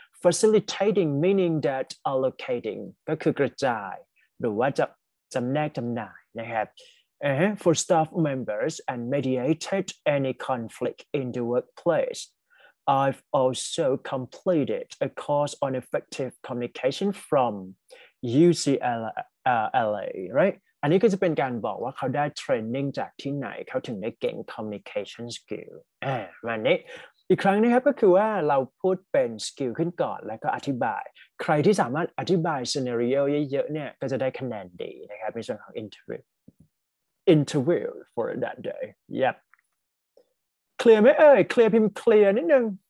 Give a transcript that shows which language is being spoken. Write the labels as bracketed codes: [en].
[en] Facilitating meaning that allocating [th] ก็คือกระจายหรือว่าจำแนกจำหน่ายนะครับ [en] for staff members and mediated any conflict in the workplace. I've also completed a course on effective communication from UCLA, right? [th] อันนี้ก็จะเป็นการบอกว่าเขาได้เทรนนิ่งจากที่ไหนเขาถึงได้เก่ง communication skill มานี้อีกครั้งนะครับก็คือว่าเราพูดเป็น skill ขึ้นก่อนแล้วก็อธิบายใครที่สามารถอธิบาย scenario เยอะๆเนี่ยก็จะได้คะแนนดีนะครับในส่วนของ [en] interview for that day yep [th] clear ไหมเอ่ย clear พิมพ์ clear นิดนึง